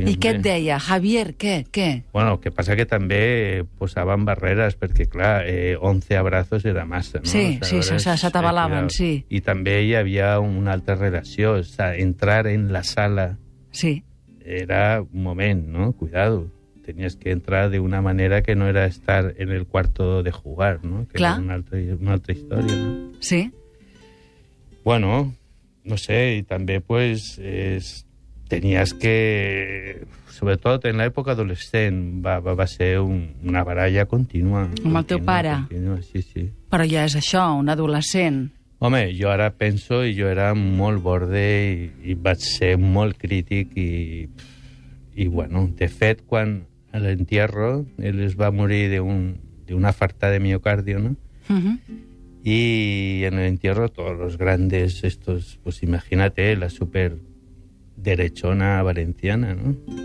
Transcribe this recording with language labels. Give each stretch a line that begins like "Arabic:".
Catalan: i també. Què et deia? Javier, què? Què? Bueno, el que passa que també posaven barreres, perquè, clar, 11 abraços era massa, no? Sí, o sigui, sí, se t'avalaven, sí. I també hi havia una altra relació, o sigui, entrar en la sala... Sí. Era un moment, no? Cuidado. Tenies que entrar d'una manera que no era estar en el cuarto de jugar, no? Que clar. Era una altra història, no? Sí.
Spanish: Bueno, no sé, y también pues tenías que, sobre todo en la época adolescente,
Catalan: va ser una baralla continua. Amb el teu pare. Continua, sí, sí. Però ja és això, un adolescent. Home, jo ara penso i jo era molt borde i vaig ser molt crític i bueno, de fet, quan a l'entierro ell es va morir d'una farta de miocardio, no?
Spanish: Y en el entierro todos los grandes estos, pues imagínate, la super derechona valenciana, ¿no?